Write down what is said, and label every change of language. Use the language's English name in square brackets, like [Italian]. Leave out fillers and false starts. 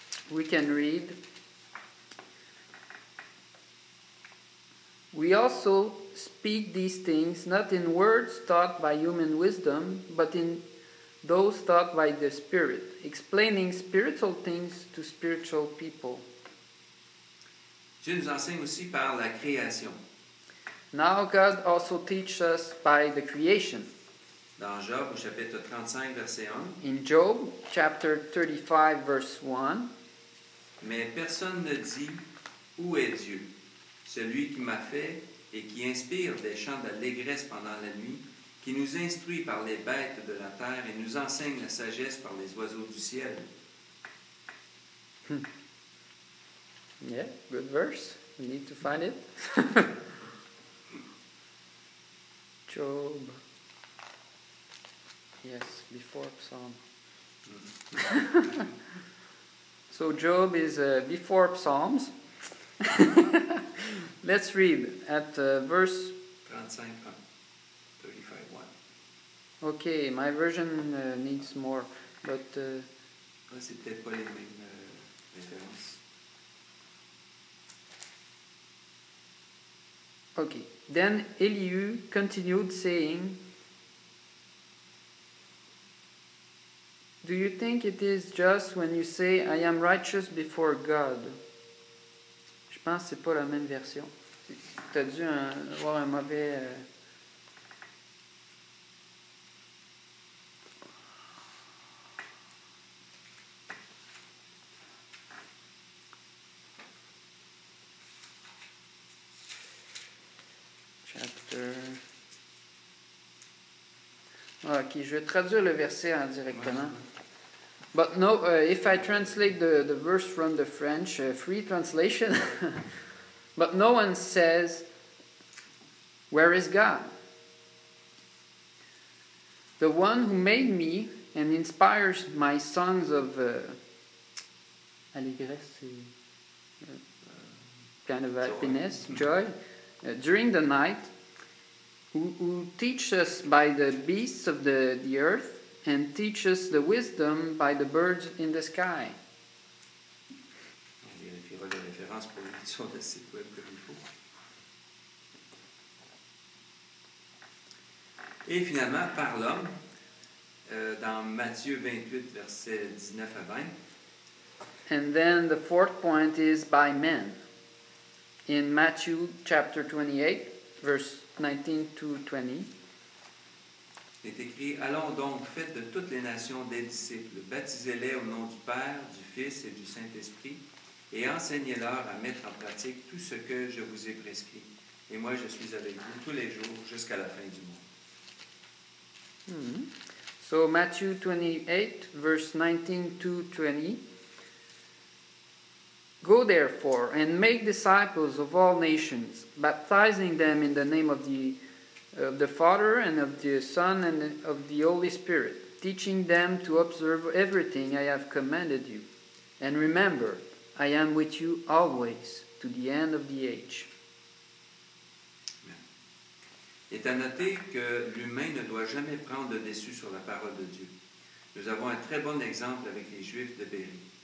[English] We can read: We also speak these things not in words taught by human wisdom, but in those taught by the Spirit, explaining spiritual things to spiritual people. [French] Dieu nous enseigne aussi par la création. [English] Now God also teaches us by the creation. [French] Dans Job, au chapitre 35, verset 1. [English] In Job, chapter 35, verse 1. [French] Mais personne ne dit, où est Dieu? Celui qui m'a fait et qui inspire des chants d'allégresse pendant la nuit, qui nous instruit par les bêtes de la terre et nous enseigne la sagesse par les oiseaux du ciel. [English] Yeah, good verse. We need to find it. Job. Yes, before Psalm. So Job is before Psalms. Let's read at verse 35:1. Okay, my version needs more, but [French] c'était pas les mêmes références. [English] Okay, then Elihu continued saying, "Do you think it is just when you say, 'I am righteous before God'?" [French] Je pense que c'est pas la même version. Tu as dû avoir un mauvais... [English] Chapter... [French] Ok, je vais traduire le verset directement. [English] Ouais. But no, if I translate the verse from the French, free translation. But no one says, "Where is God? The one who made me and inspires my songs of allégresse, kind of happiness, joy, during the night, who teaches us by the beasts of the earth, and teach us the wisdom by the birds in the sky." [French] On vérifiera les références pour l'édition de site web comme il faut. Et finalement, par l'homme, dans Matthieu 28, versets 19 à 20. [English] And then the fourth point is by men. In Matthew chapter 28, verse 19 to 20. [French] Il est écrit: "Allons donc, faites de toutes les nations des disciples, baptisez-les au nom du Père, du Fils et du Saint-Esprit, et enseignez-leur à mettre en pratique tout ce que je vous ai prescrit. Et moi, je suis avec vous tous les jours jusqu'à la fin du monde. [English] Mm-hmm. So, Matthew 28, verse 19 to 20. Go therefore and make disciples of all nations, baptizing them in the name of the Father and of the Son and of the Holy Spirit, teaching them to observe everything I have commanded you. And remember, I am with you always to the end of the age. [French] Il est à noter que l'humain ne doit jamais prendre de déçu sur la parole de Dieu. Nous avons un très bon exemple avec les Juifs de Béry.